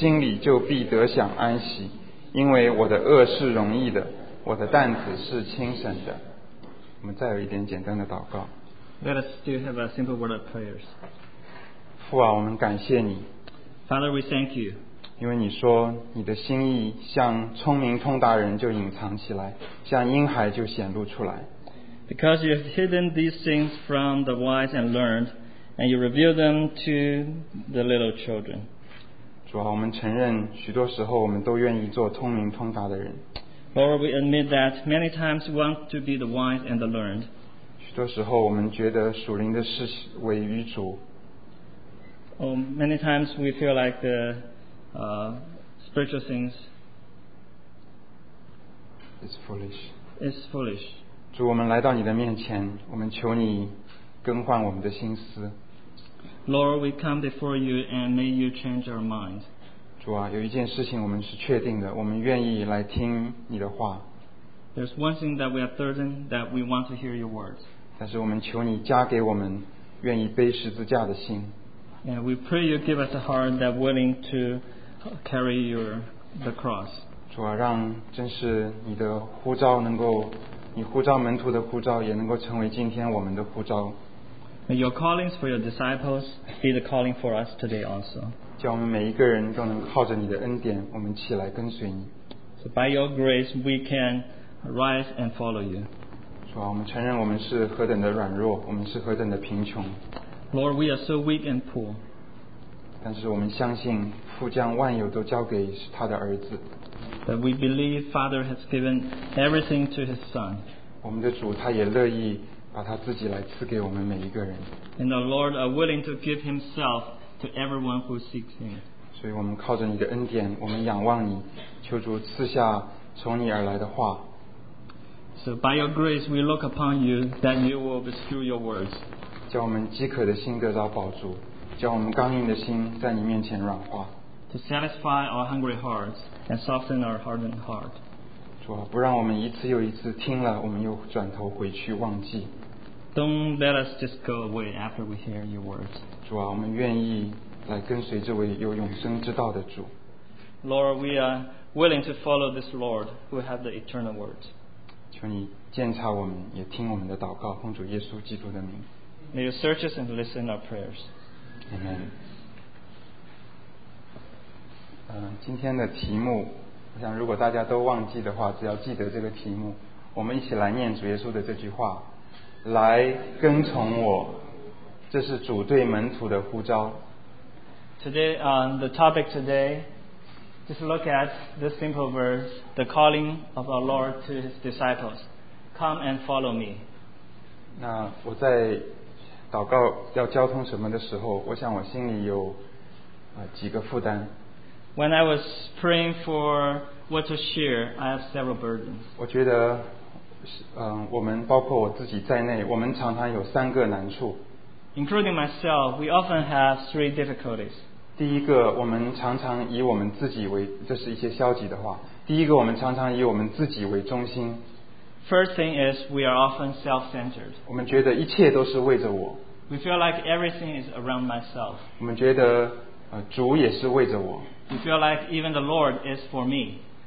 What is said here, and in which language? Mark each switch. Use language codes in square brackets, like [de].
[zh] 父啊，是的，因为你的美意本是如此，一切所有的都是我父交付我的。除了父，没有人知道子；除了子和子所愿意指示的，没有人知道父。凡劳苦担重担的人，可以到我这里来，我就使你们得安息。我心里柔和谦卑，你们当负我的轭，学我的样式，这样你们心里就必得享安息。因为我的轭是容易的，我的担子是轻省的。我们再有一点简单的祷告。 [en] Let us still have a simple word of prayers. [zh] 父啊，我们感谢你。 [en] Father, we thank you. [zh] 因为你说你的心意像聪明通达人就隐藏起来，像婴孩就显露出来。 [en] Because you have hidden these things from the wise and learned, and you reveal them to the little children. [zh] 主啊，我们承认许多时候我们都愿意做聪明通达的人。 [en] Lord, we admit that many times we want to be the wise and the learned. [zh] 许多时候我们觉得属灵的事为于主。 [en] Oh, many times we feel like the spiritual things is foolish. It's foolish. [zh] 主，我们来到你的面前，我们求你更换我们的心思。 [en] Lord, we come before you and may you change our mind. [zh] 主啊，有一件事情我们是确定的，我们愿意来听你的话。 [en] There's one thing that we are certain that we want to hear your words. [zh] 但是我们求你加给我们愿意背十字架的心。 [en] And we pray you give us a heart that willing to carry your the cross. [zh] 主啊，让真是你的呼召能够，你呼召门徒的呼召也能够成为今天我们的呼召。 [en] May your callings for your disciples be the calling for us today also. [zh] 叫我们每一个人都能靠着你的恩典，我们起来跟随你。 [en] So by your grace we can rise and follow you. [zh] 主啊，我们承认我们是何等的软弱，我们是何等的贫穷。 [en] Lord, we are so weak and poor. [zh] 但是我们相信父将万有都交给他的儿子。 [en] But we believe Father has given everything to His Son. [zh] 我们的主他也乐意把他自己来赐给我们每一个人。 [en] And the Lord are willing to give Himself to everyone who seeks Him. [zh] 所以我们靠着你的恩典，我们仰望你，求主赐下从你而来的话。 [en] So by your grace we look upon you that you will bestow your words. [zh] 叫我们饥渴的心得到饱足，叫我们刚硬的心在你面前软化。 [en] To satisfy our hungry hearts and soften our hardened heart. [zh] 主啊，不让我们一次又一次听了，我们又转头回去忘记。 [en] Don't let us just go away after we hear your words. [zh] 主啊，我们愿意来跟随这位有永生之道的主。 [en] Lord, we are willing to follow this Lord who has the eternal words. [zh] 求你鉴察我们，也听我们的祷告，奉主耶稣基督的名。 [en] May you search us and listen our prayers. Amen. [zh] 今天的题目，我想如果大家都忘记的话，只要记得这个题目，我们一起来念主耶稣的这句话：来跟从我，这是主对门徒的呼召。 [en] Today, the topic today, just look at this simple verse, the calling of our Lord to his disciples. Come and follow me. [zh] 那我在祷告要交通什么的时候，我想我心里有几个负担。 [en] When I was praying for what to share, I have several burdens. [zh] 我觉得，我们包括我自己在内，我们常常有三个难处。 [en] Including myself, we often have three difficulties. [zh] 第一个，我们常常以我们自己为，这是一些消极的话。第一个，我们常常以我们自己为中心。 [en] First thing is we are often self-centered. [zh] 我们觉得一切都是为着我。 [en] We feel like everything is around myself. [zh] 我们觉得主也是为着我。 [en] We feel like even the Lord is for me.